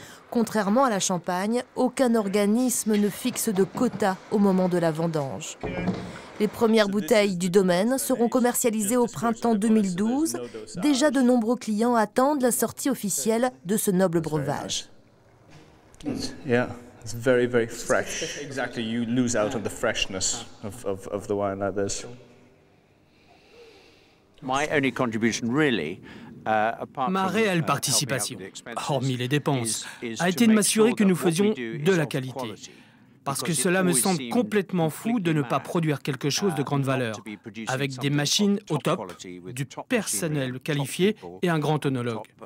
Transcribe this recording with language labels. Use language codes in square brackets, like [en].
[fr] Contrairement à la Champagne, aucun organisme ne fixe de quota au moment de la vendange. Les premières bouteilles du domaine seront commercialisées au printemps 2012. Déjà, de nombreux clients attendent la sortie officielle de ce noble breuvage. [en] It's very, very fresh. Exactly, you lose out on the freshness of the wine like this. My only contribution, really, [fr] Ma réelle participation, hormis les dépenses, a été de m'assurer que nous faisions de la qualité. Parce que cela me semble complètement fou de ne pas produire quelque chose de grande valeur, avec des machines au top, du personnel qualifié et un grand œnologue.